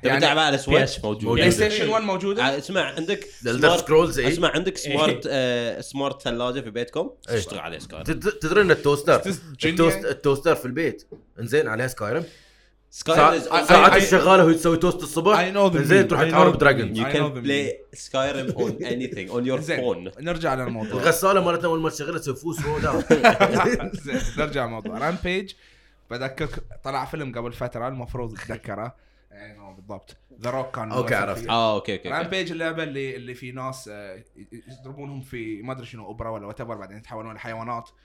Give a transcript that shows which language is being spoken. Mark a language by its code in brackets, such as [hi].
[ar] يعني تلعب على Switch موجود. PlayStation One موجود. اسمع عندك. Elder Scrolls. اسمع عندك سمارت سمارت ثلاجة في بيتكم. تشتغل عليه Skyrim. تدري إن التوستر. التوستر في البيت. إنزين عليه Skyrim. ساعات الشغالة هو يسوي توست الصباح. إنزين تروح تعرف دراجون. [en] You can play Skyrim on anything on your phone. [ar] نرجع للموضوع. غسالة مرتنا أول ما شغلت تفوس وودا. نرجع موضوع. رامبيج بذكرك طلع فيلم قبل فترة المفروض تذكره. بالضبط. The Rock كان. أوكي عرفت. أوكي. رامبيج اللعبة اللي في ناس يضربونهم في ما أدري شنو أبرة ولا وتبر بعدين يتحولون لحيوانات.